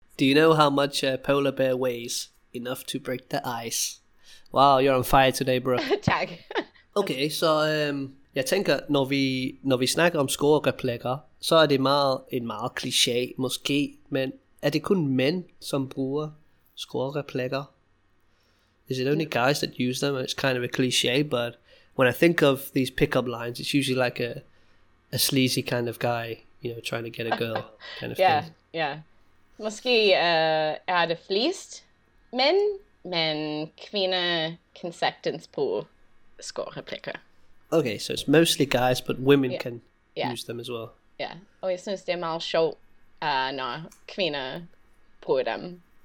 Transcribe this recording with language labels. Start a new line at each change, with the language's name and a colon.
English: Do you know how much a polar bear weighs? Enough to break the ice. Wow, you're on fire today, bro.
Danish: Tak. Okay, så jeg tænker, når vi snakker om score-replikker, så er det en meget kliché, måske, men er det kun mænd, som bruger score-replikker?
English: Is it only guys that use them? It's kind of a cliché, but when I think of these pickup lines, it's usually like a sleazy kind of guy, you know, trying to get a girl kind of thing. Yeah, yeah.
Danish: Måske er det flest mænd, men kvinder kan sagtens bruge score-replikker.
English: Okay, so it's mostly guys, but women can use them as well.
Danish: Yeah, og jeg synes, det er meget sjovt, når kvinder bruger dem.